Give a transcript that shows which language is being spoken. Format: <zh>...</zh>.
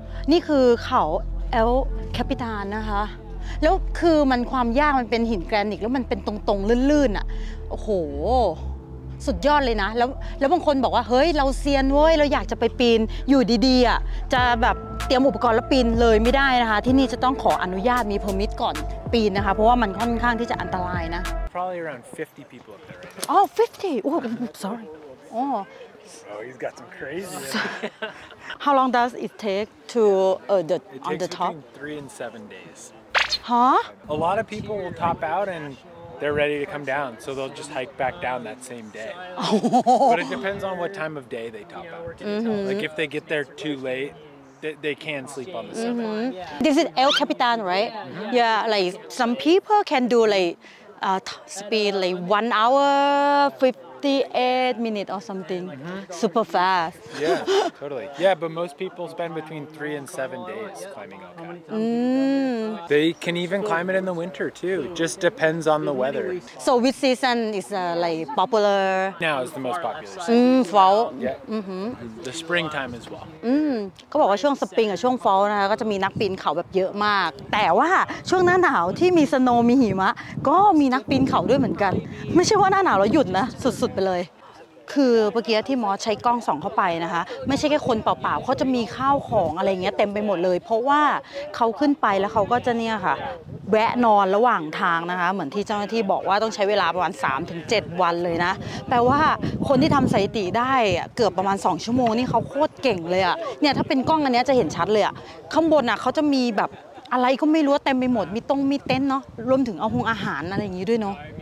<th>นี่คือเขาเอลแคปิตานนะคะแล้วคือมันความยากมันเป็นหินแกรนิตแล้วมันเป็นตรงๆลื่นๆอ่ะโอ้โห สุดยอดเลยนะแล้วบางคนบอกว่าเฮ้ยเราเซียนเว้ยเราอยากจะไปปีนอยู่ดีๆอ่ะจะแบบเตรียมอุปกรณ์แล้วปีนเลยไม่ได้นะคะที่นี่จะต้องขออนุญาตมีเพอร์มิทก่อนปีนนะคะเพราะว่ามันค่อนข้างที่จะอันตรายนะ</th> <en>Probably around 50 people up there right now. Oh, 50. Oh, sorry. Oh. Oh, he's got some crazy. How long does it take to the on the top? It takes between 3 and 7 days. Huh? A lot of people will top out and they're ready to come down, so they'll just hike back down that same day. But it depends on what time of day they top out. Mm-hmm. Like if they get there too late, they can sleep on the summit. Mm-hmm. This is El Capitan, right? Mm-hmm. Yeah, like some people can do like speed like 1 hour 58 minutes or something, mm-hmm. super fast. Yeah, totally. Yeah, but most people spend between 3 and 7 days climbing El Cap. Mm. They can even climb it in the winter too. Just depends on the weather. So which season is like popular? Now is the most popular. Mm, fall. Yeah. Mm-hmm. The springtime as well. Mm.</en> <th>เขาบอกว่าช่วงสปริงกับช่วงฟอลนะก็จะมีนักปีนเขาแบบเยอะมากแต่ว่าช่วงหน้าหนาวที่มีสโนว์มีหิมะก็มีนักปีนเขาด้วยเหมือนกันไม่ใช่ว่าหน้าหนาวเราหยุดนะสุดไปเลย คือเมื่อกี้ที่มอสใช้กล้องส่องเข้าไปนะคะไม่ใช่แค่คนเปล่าๆเขาจะมีข้าวของอะไรเงี้ยเต็มไปหมดเลยเพราะว่าเขาขึ้นไปแล้วเขาก็จะเนี่ยค่ะแวะนอนระหว่างทางนะคะเหมือนที่เจ้าหน้าที่บอกว่าต้องใช้เวลาประมาณ 3-7 วันเลยนะแปลว่าคนที่ทำสถิติได้เกือบประมาณ2ชั่วโมงนี่เขาโคตรเก่งเลยอ่ะเนี่ยถ้าเป็นกล้องอันนี้จะเห็นชัดเลยอ่ะข้างบนอ่ะเขาจะมีแบบอะไรก็ไม่รู้เต็มไปหมดมีต้องมีเต็นท์เนาะรวมถึงเอาหุงอาหารอะไรอย่างงี้ด้วยเนาะ</th>